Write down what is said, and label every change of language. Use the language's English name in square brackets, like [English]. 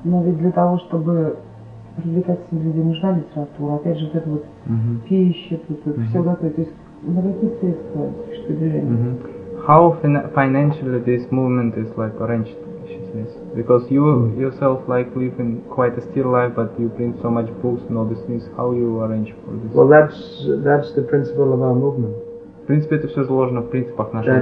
[Russian] Но ведь для того, чтобы привлекать себе людей, нужна литература. Опять же, вот эта вот пища, тут все готовит. То есть на какие средства существует движение? [English] How financially this movement is like arranged, she says. Because you yourself like living quite a still life, but you print so much books and all these things. How you arrange for this? Well, that's the principle of our movement. [Russian] В принципе, это все заложено в принципах нашего